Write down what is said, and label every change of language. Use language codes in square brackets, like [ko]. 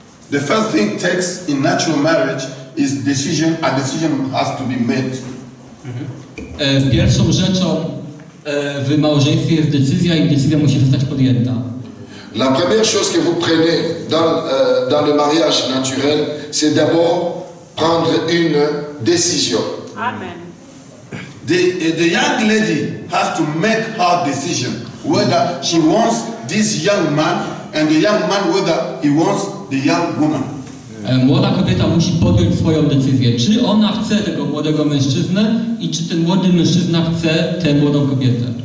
[en] The first thing text in natural marriage is decision. A decision has to be made. [pl] Pierwszą rzeczą w małżeństwie jest decyzja i decyzja musi zostać podjęta. [fr] La première chose que vous prenez dans le mariage naturel, c'est d'abord prendre une décision. Amen. [en] The young lady has to make her decision whether she wants this young man and the young man whether he wants the young woman. [pl] Młoda kobieta musi podjąć swoją decyzję, czy ona chce tego młodego mężczyznę i czy ten młody mężczyzna chce tę młodą kobietę.